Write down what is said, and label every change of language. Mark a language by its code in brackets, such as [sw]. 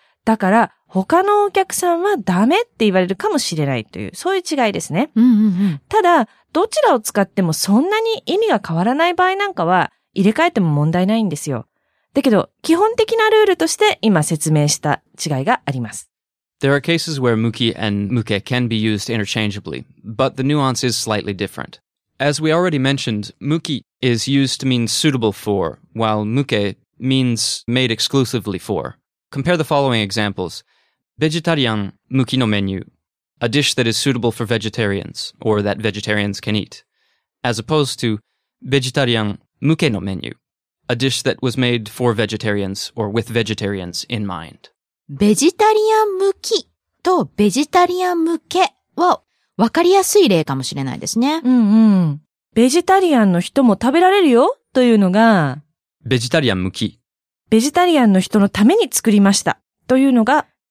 [ja] だから他のお客さんはダメって言われるかもしれないという、そういう違いですね。うんうんうん、ただ、どちらを使ってもそんなに意味が変わらない場合なんかは入れ替えても問題ないんですよ。だけど、基本的なルールとして今説明した違いがあります。 [en] There are cases where 向き and 向け can be used interchangeably, but the nuance is slightly different. As we already mentioned, 向き is used to mean suitable for, while 向け means made exclusively for. Compare the following examples. Vegetarian 向きのメニュー A dish that is suitable for vegetarians, or that vegetarians can eat. As opposed to Vegetarian 向けのメニュー A dish that was made for vegetarians, or with vegetarians in mind. [ja] ベジタリアン向きとベジタリアン向けは分かりやすい例かもしれないですね。うんうん。ベジタリアンの人も食べられるよというのが、ベジタリアン向き。ベジタリアンの人のために作りましたというのが、